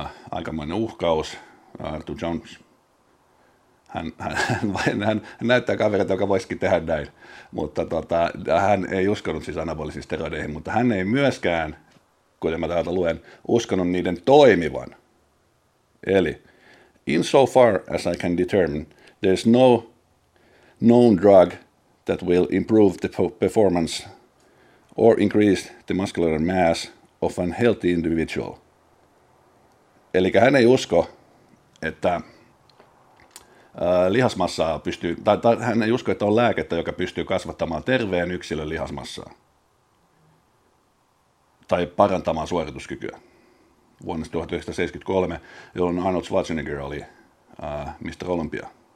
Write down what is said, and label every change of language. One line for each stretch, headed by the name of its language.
Finnish: Aikamoinen uhkaus. Arthur Jones, hän näyttää kaverilta, joka voisikin tehdä näin, mutta hän ei uskonut siis anabolisiin steroideihin, mutta hän ei myöskään, kuten mä täältä luen, uskonut niiden toimivan.
English: Eli, in so far as I can determine, there is no known drug that will improve the performance or increase the muscular mass of a healthy individual.
Finnish: Eli hän ei usko, että lihasmassaa pystyy, tai hän ei usko, että on lääkettä, joka pystyy kasvattamaan terveen yksilön lihasmassaa tai parantamaan suorituskykyä. Vuonna 1973, jolloin Arnold Schwarzenegger oli Mr. Olympia.